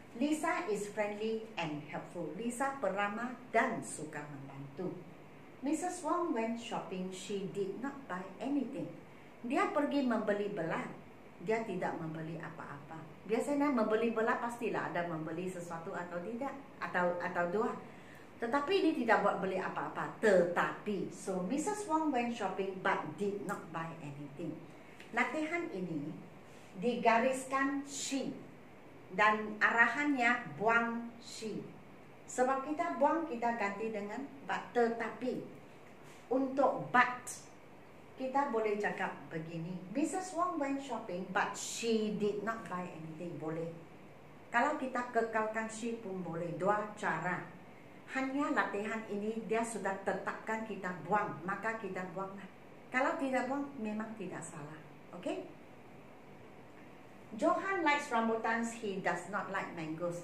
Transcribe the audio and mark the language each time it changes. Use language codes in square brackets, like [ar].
[en] Lisa is friendly and helpful. [ms] Lisa peramah dan suka membantu. [en] Mrs. Wong went shopping. She did not buy anything. [ms] Dia pergi membeli belah. dia tidak membeli apa-apa. Biasanya membeli bola pastilah ada membeli sesuatu atau tidak atau dua. Tetapi ini tidak buat beli apa-apa. Tetapi so Mrs. [en] Wong went shopping but did not buy anything. [ms] Latihan ini digariskan she dan arahannya buang she. Sebab kita buang kita ganti dengan but. Tetapi untuk but kita boleh cakap begini, Mrs. [en] Wong went shopping but she did not buy anything. [ms] Boleh. Kalau kita kekalkan she pun boleh. Dua cara. Hanya latihan ini dia sudah tetapkan kita buang, maka kita buanglah. Kalau tidak buang memang tidak salah. Okay? [en] Johan likes rambutans, he does not like mangoes.